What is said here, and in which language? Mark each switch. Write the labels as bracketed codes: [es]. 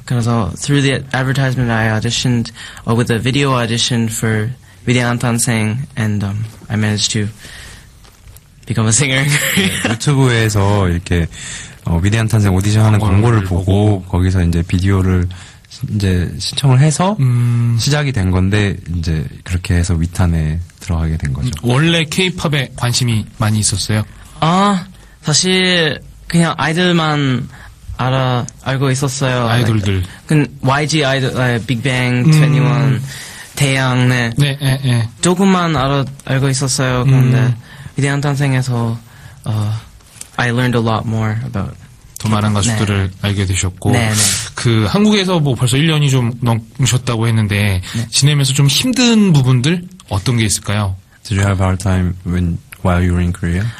[en] 그래서 through the advertisement I auditioned with a video audition for 위대한 탄생 and I managed to become a singer. [ko] 네, 유튜브에서 이렇게 위대한 탄생 오디션 하는 광고를 보고 거기서 이제 비디오를 이제 신청을 해서 시작이 된 건데 이제 그렇게 해서 위탄에 들어가게 된 거죠. 원래 K-POP에 관심이 많이 있었어요? 아, 사실 그냥 아이들만 알고 있었어요. 아이돌들. Like, YG 아이돌, Big Bang, 21, 태양, 네. 네, 네, 네. 조금만 알고 있었어요. 근데 위대한 탄생에서 [en] I learned a lot more about [ko] 더 많은 가수들을 네. 알게 되셨고 네, 네. 그 한국에서 뭐 벌써 1년이 좀 넘으셨다고 했는데 네. 지내면서 좀 힘든 부분들 어떤 게 있을까요? [en] Did you have a hard time when while you were in Korea?